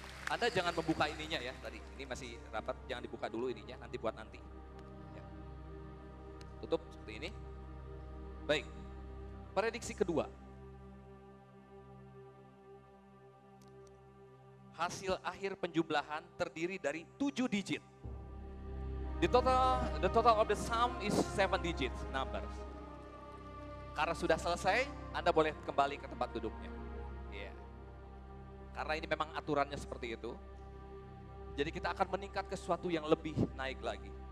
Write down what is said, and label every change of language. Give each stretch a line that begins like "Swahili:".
Indonesian: Anda jangan membuka ininya ya tadi. Ini masih rapat, jangan dibuka dulu ininya, nanti buat nanti. Ya. Tutup seperti ini. Baik, prediksi kedua. Hasil akhir penjumlahan terdiri dari 7 digit.
English: The total of the sum is 7 digits numbers.
Indonesian: Karena sudah selesai, Anda boleh kembali ke tempat duduknya. Yeah. Karena ini memang aturannya seperti itu. Jadi kita akan meningkat ke sesuatu yang lebih naik lagi.